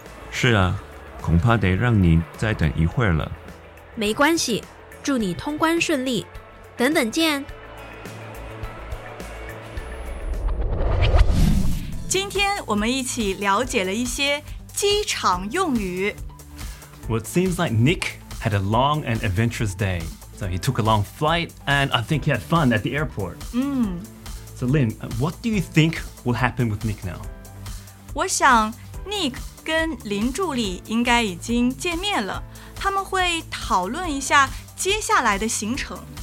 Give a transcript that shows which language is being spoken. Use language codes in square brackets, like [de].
[zh] 是啊，恐怕得让您再等一会儿了。没关系，祝你通关顺利，等等见。今天我们一起了解了一些机场用语。 [en] Well, it seems like Nick had a long and adventurous day. So he took a long flight, and I think he had fun at the airport. So Lin, what do you think will happen with Nick now? [zh] 我想 Nick 跟林助理应该已经见面了，他们会讨论一下接下来的行程。